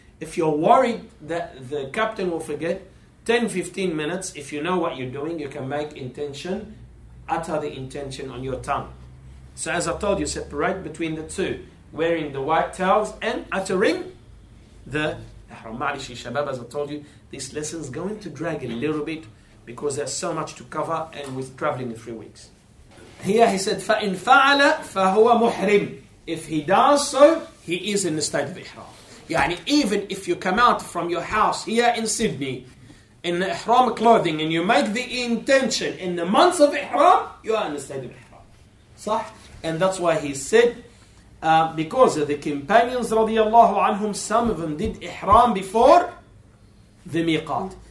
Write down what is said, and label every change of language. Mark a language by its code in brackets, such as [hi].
[en] If you're worried that the captain will forget, 10-15 minutes, if you know what you're doing, you can make intention, utter the intention on your tongue. So as I told you, separate between the two, wearing the white towels and uttering the ihram. [ar] Ma'alishi shabab, [en] as I told you, this lesson is going to drag a little bit because there's so much to cover and we're traveling in 3 weeks. [ar] Here he said, فَإِن فَعَلَ فَهُوَ مُحْرِمٌ. [en] If he does so, he is in the state of ihram. Yani, even if you come out from your house here in Sydney in ihram clothing and you make the intention in the month of ihram, you are in the state of ihram. Sah? And that's why he said, because of the companions radiallahu anhum, some of them did ihram before the miqat.